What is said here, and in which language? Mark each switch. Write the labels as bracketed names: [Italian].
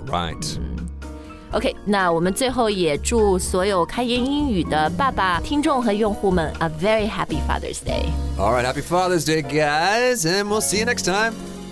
[English] Right.、 [Chinese] OK, 那我们最后也祝所有开言英语的爸爸听众和用户们 [English] a very happy Father's Day. All right, happy Father's Day, guys, and we'll see you next time.